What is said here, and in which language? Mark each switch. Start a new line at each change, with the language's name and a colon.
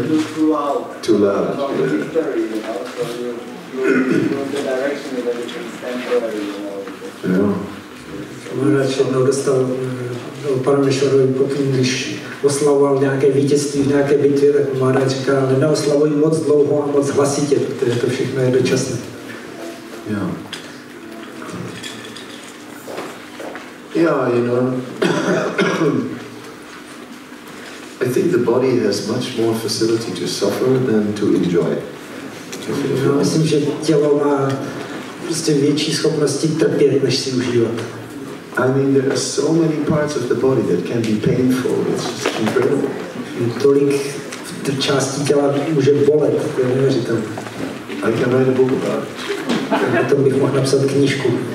English: You know, so you're in the direction that it's temporary, you know. Yeah.
Czech: Maharaj jednou dostal Parameshwarovi pokyn, když oslavoval nějaké vítězství v nějaké bitvě, tak Maharaj říká, neoslavuj moc dlouho a moc hlasitě, protože to všechno je dočasné.
English: Yeah. Yeah, you know. I think the body has much more facility to suffer than to enjoy.
Czech: Já myslím, že tělo má prostě větší schopnosti trpět, než si užívat.
English: I mean, there are so many parts of the body that can be painful. It's just incredible.
Czech: Tolik části těla může bolet, to je neuvěřitelné.
English: I can write a book about it.
Czech: O tom bych mohl napsat knížku.